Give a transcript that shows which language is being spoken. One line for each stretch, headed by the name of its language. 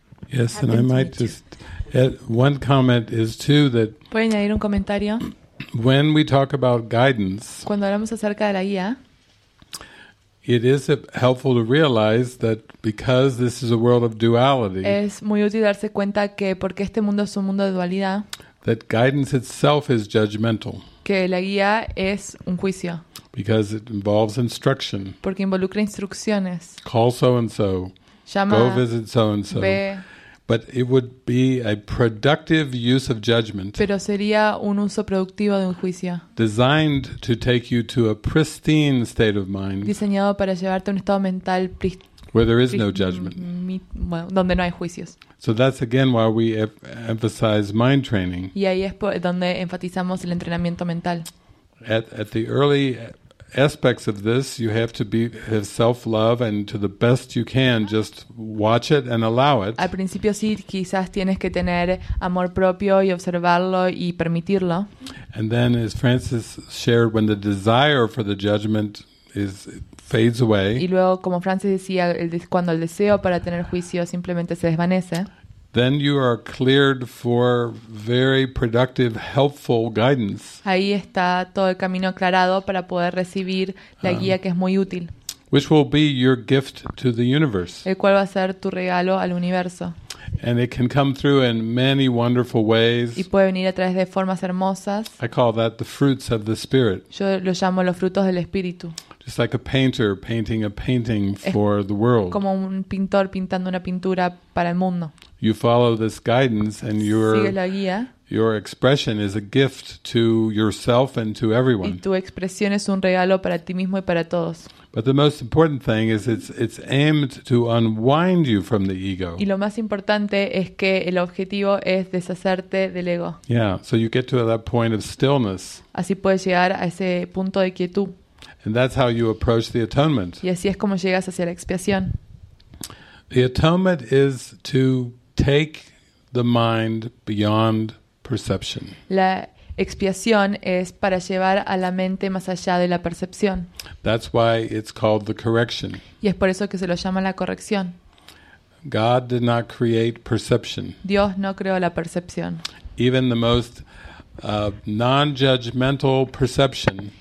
English: Yes, and I might just add one comment is too that.
Spanish: ¿Puedo añadir un comentario?
English: When we talk about guidance.
Spanish: Cuando hablamos acerca de la guía.
English: It is helpful to realize that because this is a world of duality.
Spanish: Es muy útil darse cuenta que porque este mundo es un mundo de dualidad.
English: That guidance itself is judgmental.
Spanish: que la guía es un juicio.
English: Because it involves instruction.
Spanish: Porque involucra instrucciones.
English: Call so and so.
Spanish: Llama,
English: go visit so and so.
Spanish: Ve.
English: But it would be a productive use of judgment.
Spanish: Pero sería un uso productivo de un juicio.
English: Designed to take you to a pristine state of mind.
Spanish: Diseñado para llevarte a un estado mental
English: where there is no judgment.
Spanish: Bueno, donde no hay juicios.
English: So that's again why we emphasize mind training.
Spanish: Y ahí es donde enfatizamos el entrenamiento mental.
English: At the early aspects of this, you have to be have self-love and to the best you can just watch it and allow it.
Spanish: Al principio sí, quizás tienes que tener amor propio y observarlo y permitirlo.
English: And then, as Francis shared, when the desire for the judgment is fades away.
Spanish: Y luego, como Francis decía, cuando el deseo para tener juicio simplemente se desvanece.
English: Then you are cleared for very productive, helpful guidance.
Spanish: Ahí está todo el camino aclarado para poder recibir la guía que es muy útil.
English: Which will be your gift to the universe.
Spanish: El cual va a ser tu regalo al universo.
English: And it can come through in many wonderful ways.
Spanish: Y puede venir a través de formas hermosas.
English: I call that the fruits of the spirit.
Spanish: Yo lo llamo los frutos del espíritu.
English: Just like a painter painting a painting for the world.
Spanish: Como un pintor pintando una pintura para el mundo.
English: You follow this guidance and your expression is a gift to yourself and to everyone.
Spanish: Y tu expresión es un regalo para ti mismo y para todos.
English: But the most important thing is it's aimed to unwind you from the ego.
Spanish: Y lo más importante es que el objetivo es deshacerte del ego.
English: Yeah, so you get to that point of stillness.
Spanish: Así puedes llegar a ese punto de quietud.
English: And that's how you approach the atonement.
Spanish: Y así es como llegas hacia la expiación.
English: The atonement is to take the mind beyond perception.
Spanish: La expiación es para llevar a la mente más allá de la percepción.
English: That's why it's called the correction.
Spanish: Y es por eso que se lo llama la corrección.
English: God did not create perception.
Spanish: Dios no creó la percepción.
English: Even the most non-judgmental perception.